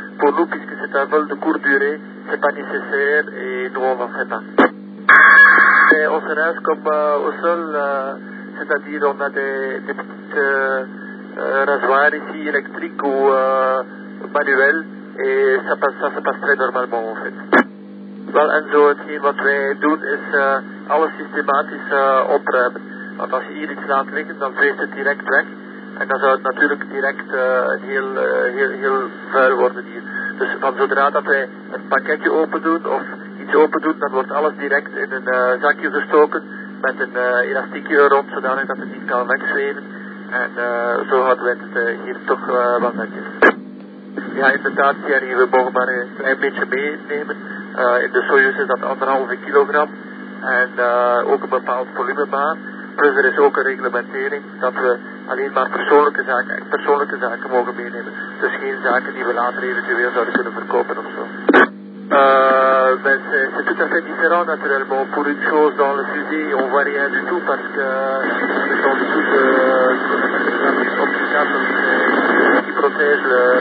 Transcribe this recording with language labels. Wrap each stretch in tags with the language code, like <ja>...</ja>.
<fr>Pour nous, puisque c'est un vol de courte durée, c'est pas nécessaire et nous on n'en fait pas. Et on se reste comme au sol, c'est-à-dire on a des petits rasoirs ici électriques ou manuels et ça se passe très normalement en fait.</fr> <nl>Wel, en zo, hetgeen wat wij doen is alles systematisch opruimen. Want als je hier iets laat liggen, dan vreest het direct weg. En dan zou het natuurlijk direct heel vuil worden hier. Dus van zodra dat wij een pakketje open doen of iets open doen, dan wordt alles direct in een zakje gestoken met een elastiekje rond, zodanig dat het niet kan wegzweven. En zo houden wij het hier toch wat netjes. Ja, inderdaad, Thierry, we mogen maar een klein beetje meenemen. In de Soyuz is dat 1,5 kilogram en ook een bepaald volume maar. Plus er is ook een reglementering dat we alleen maar persoonlijke zaken, echt persoonlijke zaken mogen meenemen. Dus geen zaken die we later eventueel zouden kunnen verkopen ofzo.</nl> <fr>C'est tout à fait différent naturellement. Pour une chose dans le fusil, on voit rien du tout parce que ils ont tous la petite obstacle qui protège le</fr>